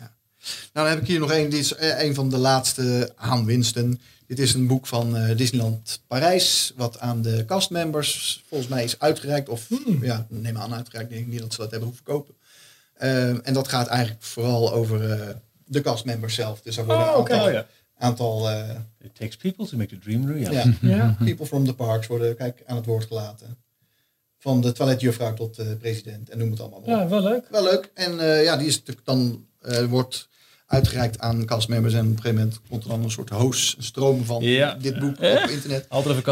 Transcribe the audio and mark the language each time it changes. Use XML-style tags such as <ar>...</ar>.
<nl>Nou, dan heb ik hier nog één. Dit is een van de laatste aanwinsten. Dit is een boek van Disneyland Parijs. Wat aan de castmembers volgens mij is uitgereikt. Of neem aan uitgereikt. Denk ik niet dat ze dat hebben hoeven kopen. En dat gaat eigenlijk vooral over de castmembers zelf. Dus er worden aantal...</nl> <en>It takes people to make the dream real.</en> <nl>Ja.</nl> <en>People from the parks</en> <nl>worden aan het woord gelaten. Van de toiletjuffrouw tot de president en noem het allemaal op. Ja, wel leuk. Wel leuk. En die is natuurlijk dan wordt uitgereikt aan castmembers. En op een gegeven moment komt er dan een soort hoosstroom van dit boek op internet. Altijd even</nl>